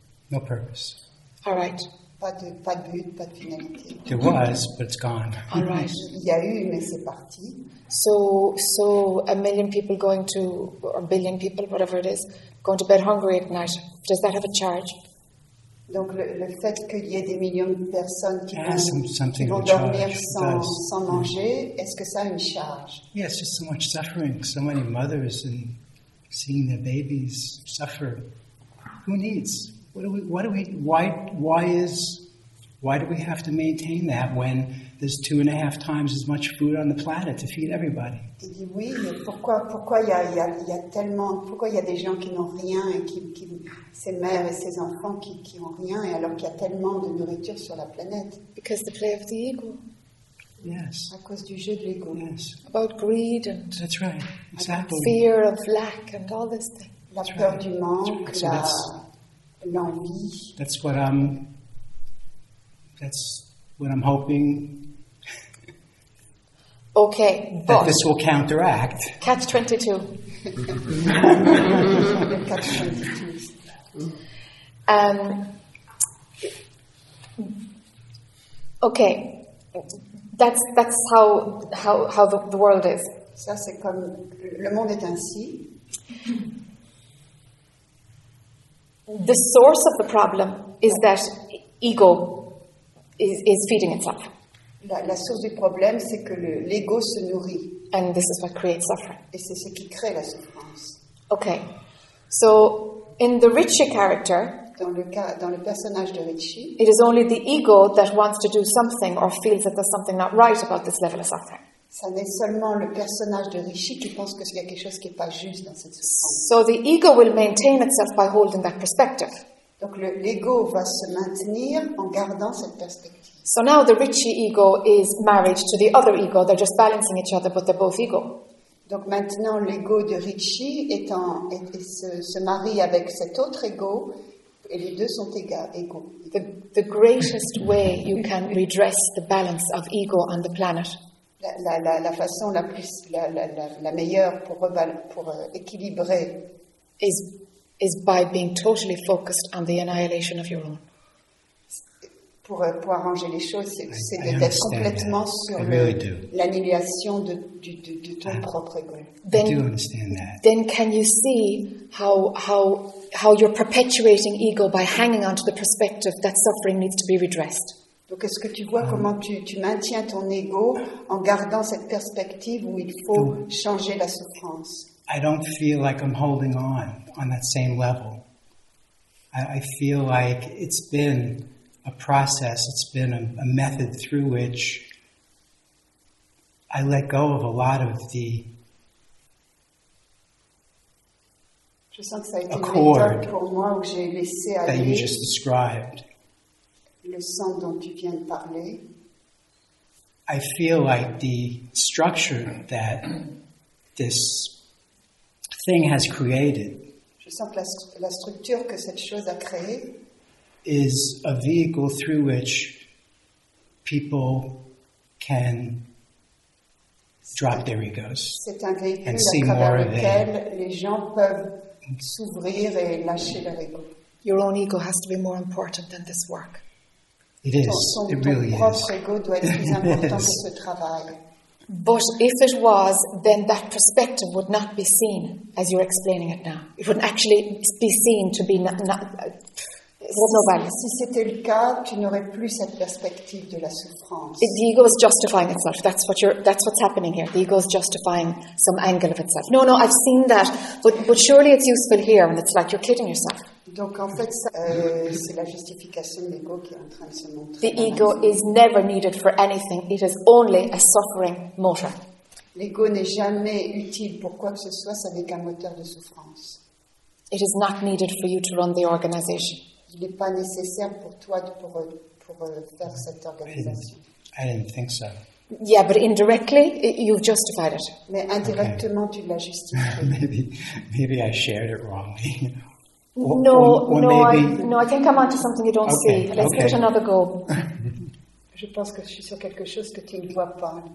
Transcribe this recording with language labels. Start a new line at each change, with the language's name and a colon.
English: No purpose. All right.
French: Pas de but, pas de finalité.
English: There was, but it's gone. All right.
French: Il y a eu, mais c'est parti.
English: So a million people going to, or a billion people, whatever it is, going to bed hungry at night. Does that have a charge?
French: Donc le fait qu'il y ait des millions de personnes qui vont dormir sans manger, est-ce que ça a une charge?
English: Yeah, it's just so much suffering. So many mothers and seeing their babies suffer. Who needs? Why do we have to maintain that when there's 2.5 times as much food on the planet to feed everybody?
French: Il dit oui, mais pourquoi il y a tellement, pourquoi il y a des gens qui n'ont rien et qui ces mères et ces enfants qui ont rien et alors qu'il y a tellement de nourriture sur la planète?
English: Because the play of the ego. Yes.
French: À cause du jeu de l'ego.
English: Yes. About greed and. That's right. Exactly. Fear of lack and all this thing.
French: La peur
English: right.
French: du manque,
English: right.
French: la so l'envie.
English: That's what I'm. That's what I'm hoping. Okay, but this will counteract. Catch 22. Catch 22. Okay, that's how the world is.
French: Ça c'est comme le monde est ainsi.
English: The source of the problem is that ego. Is feeding itself.
French: La source du problème, c'est que l'ego se nourrit.
English: And this is what creates suffering.
French: Et c'est ce qui crée la souffrance.
English: Okay. So, in the Ritchie character,
French: dans le personnage de Ritchie,
English: it is only the ego that wants to do something or feels that there's something not right about this level of suffering.
French: Ça n'est seulement le personnage de Ritchie qui pense qu'il y a quelque chose qui n'est pas juste dans cette souffrance.
English: So the ego will maintain itself by holding that perspective.
French: Donc l'ego va se maintenir en gardant cette perspective.
English: So now the Ricci ego is married to the other ego. They're just balancing each other, but they're both ego.
French: Donc maintenant l'ego de Ricci se marie avec cet autre ego, et les deux sont égaux.
English: The greatest way you can redress the balance of ego on the planet.
French: La meilleure pour équilibrer
English: is by being totally focused on the annihilation of your own.
French: Pour arranger les choses, c'est d'être complètement sur l'annihilation de ton propre ego.
English: Then, I do understand that. Then can you see how you're perpetuating ego by hanging on to the perspective that suffering needs to be redressed?
French: Donc est-ce que tu vois comment tu maintiens ton ego en gardant cette perspective où il faut changer la souffrance?
English: I don't feel like I'm holding on that same level. I feel like it's been a process, it's been a method through which I let go of a lot of the accord that you just described.
French: Le sang dont tu viens de parler.
English: I feel like the structure that this thing has created.
French: Je sens que la structure que cette chose a créée
English: is a vehicle through which people can drop their egos and see more of it.
French: Les gens peuvent s'ouvrir et lâcher leur ego.
English: Your own ego has to be more important than this work. It is. It really is.
French: Ego doit être plus important que ce travail.
English: But if it was, then that perspective would not be seen as you're explaining it now. It wouldn't actually be seen to be not
French: Si c'était le cas, tu n'aurais plus cette perspective de la souffrance.
English: The ego is justifying itself. That's what's happening here. The ego is justifying some angle of itself. No, I've seen that. But surely it's useful here, and it's like you're kidding yourself.
French: Donc en fait, c'est la justification de l'ego qui est en train de se montrer.
English: The ego is never needed for anything. It is only a suffering motor.
French: L'ego n'est jamais utile pour quoi que ce soit, ça n'est qu'un moteur de souffrance.
English: It is not needed for you to run the organization.
French: Il n'est pas nécessaire pour toi pour faire cette organisation.
English: I didn't think so. Yeah, but indirectly, you've justified it.
French: Mais indirectement, okay. Tu l'as justifié.
English: maybe I shared it wrongly. I think I'm onto something you don't see. Let's give it another go.
French: Je pense que je suis sur quelque chose que tu ne vois pas.